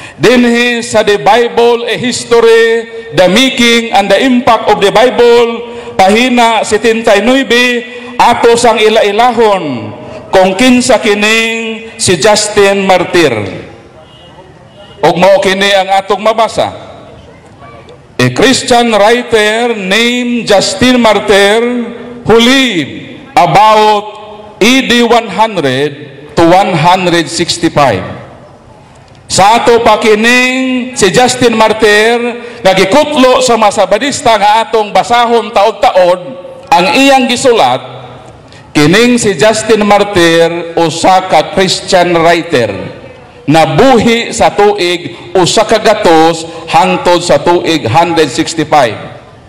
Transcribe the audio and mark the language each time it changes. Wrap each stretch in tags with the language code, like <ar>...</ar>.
<ceb>Dinhi sa The Bible, A History, The Making and the Impact of the Bible, pahina 79, ato sang ila-ilahon kung kinsa kining si Justin Martyr. Ug mao kini ang atong mabasa.</ceb> <en>A Christian writer named Justin Martyr who lived about AD 100 to 165.</en> <ceb>Sa ato pakining si Justin Martyr nga gikutlo sa mga Sabadista nga atong basahon taod-taod ang iyang gisulat, kining si Justin Martyr usa ka Christian writer na buhi sa tuig usa ka gatos hangtod sa tuig 165.</ceb>